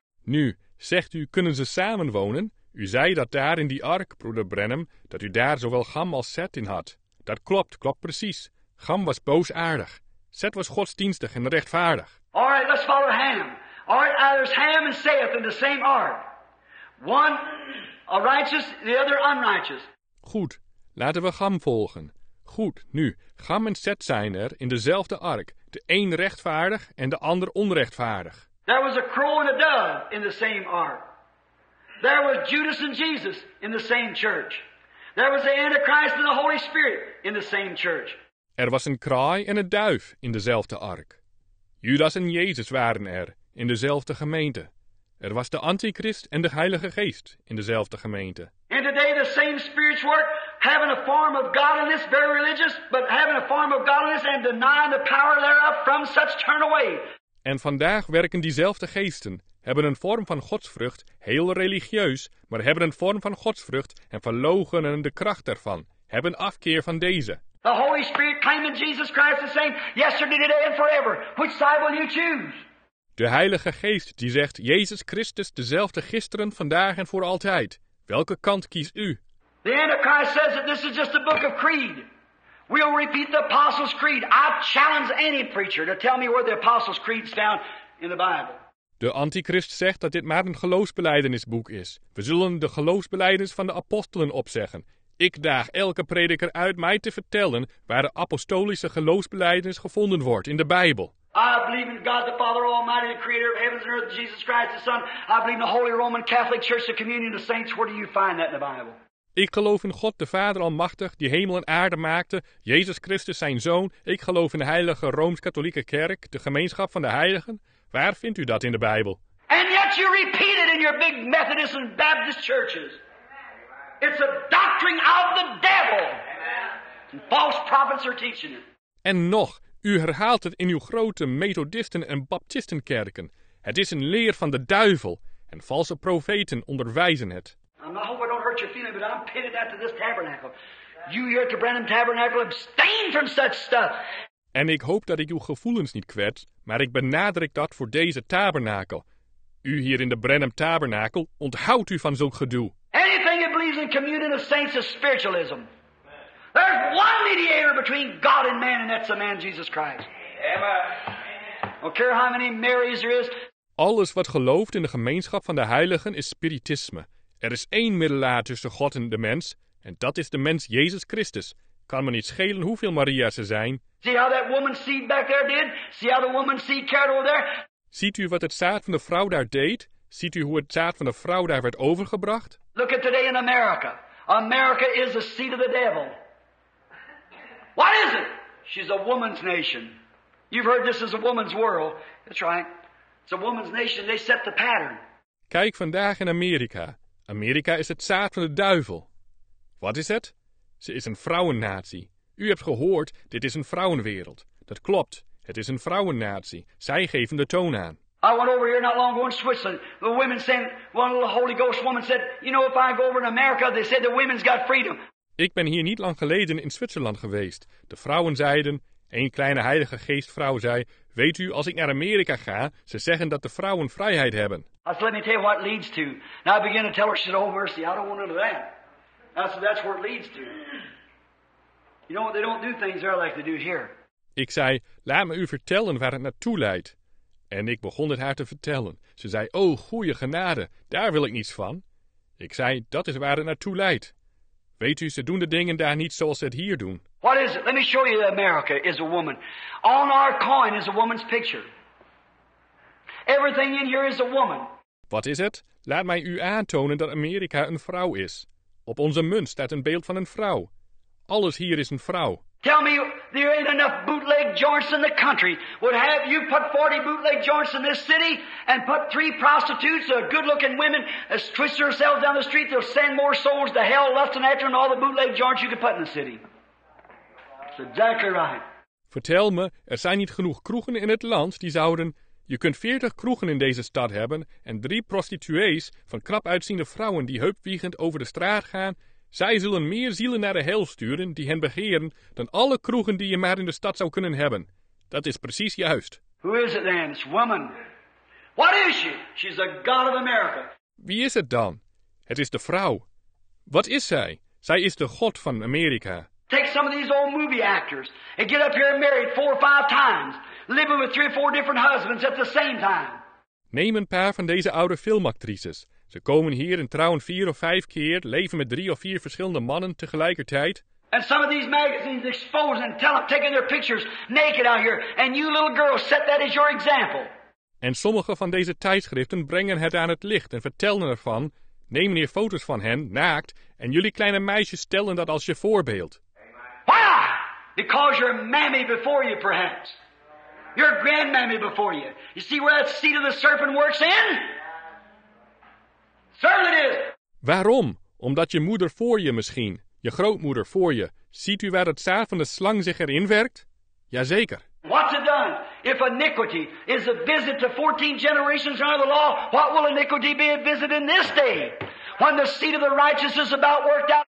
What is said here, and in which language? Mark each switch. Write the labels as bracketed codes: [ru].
[nl] Nu, zegt u, kunnen ze samen wonen? U zei dat daar in die ark, broeder Branham, dat u daar zowel Ham als Seth in had. Dat klopt, klopt precies. Ham was boosaardig. Seth was godsdienstig en rechtvaardig. [en] All right, let's follow Ham. All right, there's Ham and Seth in the same ark. One... A righteous, the other unrighteous. [nl] Goed, laten we Ham volgen. Goed, nu, Ham en Seth zijn er in dezelfde ark. De een rechtvaardig en de ander onrechtvaardig. [en] There was a crow and a dove in the same ark. There was Judas and Jesus in the same church. There was the Antichrist and the Holy Spirit in the same church. [nl] Er was een kraai en een duif in dezelfde ark. Judas en Jezus waren er in dezelfde gemeente. Er was de Antichrist en de Heilige Geest in dezelfde gemeente. [en] And today the same spirits work, having a form of godliness, very religious, but having a form of godliness and denying the power thereof from such turn away. [nl] En vandaag werken diezelfde geesten, hebben een vorm van godsvrucht, heel religieus, maar hebben een vorm van godsvrucht en verloochenen de kracht ervan, hebben afkeer van deze. [en] The Holy Spirit claiming Jesus Christ the same yesterday, today and forever. Which side will you choose? [nl] De Heilige Geest die zegt Jezus Christus dezelfde gisteren, vandaag en voor altijd. Welke kant kies u? [en] The Antichrist says that this is just a book of creed. We'll repeat the Apostles' Creed. I challenge any preacher to tell me where the Apostles' Creed is found in the Bible. [nl] De Antichrist zegt dat dit maar een geloofsbelijdenisboek is. We zullen de geloofsbelijdenis van de apostelen opzeggen. Ik daag elke prediker uit mij te vertellen waar de apostolische geloofsbelijdenis gevonden wordt in de Bijbel. [en] I believe in God the Father Almighty, the creator of heavens and earth, Jesus Christ the Son. I believe in the Holy Roman Catholic Church, the communion of saints. Where do you find that in the Bible? [nl] Ik geloof in God de Vader Almachtig, die hemel en aarde maakte, Jezus Christus zijn Zoon. Ik geloof in de Heilige Rooms-Katholieke Kerk, de gemeenschap van de heiligen. Waar vindt u dat in de Bijbel? [en] And yet you repeat it in your big Methodist and Baptist churches. It's a doctrine of the devil. And false prophets are teaching it. [nl] En nog, u herhaalt het in uw grote Methodisten en Baptistenkerken. Het is een leer van de duivel en valse profeten onderwijzen het. [en] Your feeling, but I'm pitted after this tabernacle. You here at the Branham Tabernacle, abstain from such stuff. [nl] En ik hoop dat ik uw gevoelens niet kwets, maar ik benadruk dat voor deze tabernakel. U hier in de Branham Tabernakel, onthoudt u van zo'n gedoe. [en] Anything that believes in communion of saints is spiritualism. There's one mediator between God and man, and that's the man Jesus Christ. Amen. Don't care how many Marys there is. [nl] Alles wat gelooft in de gemeenschap van de heiligen is spiritisme. Er is één middelaar tussen God en de mens, en dat is de mens Jezus Christus. Kan me niet schelen hoeveel Maria's er zijn. [en] See how that woman's seed back there did? See how the woman's seed carried over there? [nl] Ziet u wat het zaad van de vrouw daar deed? Ziet u hoe het zaad van de vrouw daar werd overgebracht? [en] Look at today in America. America is the seed of the devil. What is it? She's a woman's nation. You've heard this is a woman's world. That's right. It's a woman's nation. They set the pattern. [nl] Kijk vandaag in Amerika. Amerika is het zaad van de duivel. Wat is het? Ze is een vrouwennatie. U hebt gehoord, dit is een vrouwenwereld. Dat klopt, het is een vrouwennatie. Zij geven de toon aan. [en] I went over here not long ago in Switzerland. The women said, one little Holy Ghost woman said, you know, if I go over in America, they said the women's got freedom. [nl] Ik ben hier niet lang geleden in Zwitserland geweest. De vrouwen zeiden, een kleine heilige geestvrouw zei, weet u, als ik naar Amerika ga, ze zeggen dat de vrouwen vrijheid hebben. [en] I said, let me tell you what it leads to. Now I begin to tell her, she said, oh mercy, I don't want none of that. I said, that's where it leads to. You know what, they don't do things there like they do here. [nl] Ik zei, laat me u vertellen waar het naartoe leidt. En ik begon het haar te vertellen. Ze zei, oh goeie genade, daar wil ik niets van. Ik zei, dat is waar het naartoe leidt. Weet u, ze doen de dingen daar niet zoals ze het hier doen. [en] What is it? Let me show you that America is a woman. On our coin is a woman's picture. Everything in here is a woman. [nl] Wat is het? Laat mij u aantonen dat Amerika een vrouw is. Op onze munt staat een beeld van een vrouw. Alles hier is een vrouw. [en] Tell me, there ain't enough bootleg joints in the country. Would have you put 40 bootleg joints in this city and put 3 prostitutes, good-looking women, as twist yourselves down the street, they'll send more souls to hell lusting after and all the bootleg joints you could put in the city. That's exactly right. [nl] Vertel me, er zijn niet genoeg kroegen in het land die zouden... Je kunt 40 kroegen in deze stad hebben en 3 prostituees van knap uitziende vrouwen die heupwiegend over de straat gaan. Zij zullen meer zielen naar de hel sturen die hen begeren dan alle kroegen die je maar in de stad zou kunnen hebben. Dat is precies juist. [en] Who is it then? It's woman. What is she? She's the God of America. [nl] Wie is het dan? Het is de vrouw. Wat is zij? Zij is de God van Amerika. [en] Take some of these old movie actors and get up here and married 4 or 5 times. Living with 3 or 4 different husbands at the same time. [nl] Neem een paar van deze oude filmactrices. Ze komen hier en trouwen 4 of 5 keer, leven met 3 of 4 verschillende mannen tegelijkertijd. [en] And some of these magazines expose and tell them, taking their pictures naked out here. And you little girls set that as your example. [nl] En sommige van deze tijdschriften brengen het aan het licht en vertellen ervan. nemen hier foto's van hen, naakt, en jullie kleine meisjes stellen dat als je voorbeeld. [en] Why? Because your mammy before you, perhaps. Your grandmammy before you. You see where that seed of the serpent works in? Certainly it is. [nl] Waarom? Omdat je moeder voor je misschien, je grootmoeder voor je, ziet u waar het zaad van de slang zich erin werkt? Jazeker. [en] What's it done? If iniquity is a visit to 14 generations under the law, what will iniquity be a visit in this day? When the seed of the righteous is about worked out.